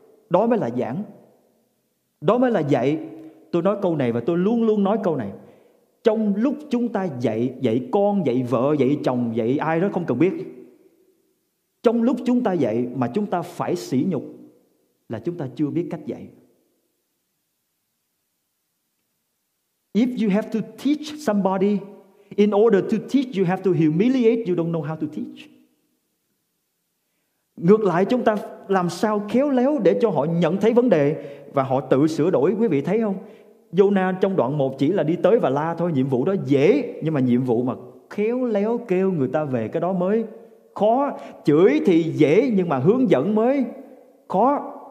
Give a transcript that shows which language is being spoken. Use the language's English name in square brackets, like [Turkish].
[Vietnamese] Đó mới là giảng, đó mới là dạy. Tôi nói câu này và tôi luôn luôn nói câu này. Trong lúc chúng ta dạy, dạy con, dạy vợ, dạy chồng, dạy ai đó không cần biết, trong lúc chúng ta dạy mà chúng ta phải sỉ nhục là chúng ta chưa biết cách dạy. [English] If you have to teach somebody, in order to teach you have to humiliate, you don't know how to teach. [Vietnamese] Ngược lại, chúng ta làm sao khéo léo để cho họ nhận thấy vấn đề và họ tự sửa đổi. Quý vị thấy không? Jonah trong đoạn 1 chỉ là đi tới và la thôi. Nhiệm vụ đó dễ, nhưng mà nhiệm vụ mà khéo léo kêu người ta về, cái đó mới khó. Chửi thì dễ nhưng mà hướng dẫn mới khó.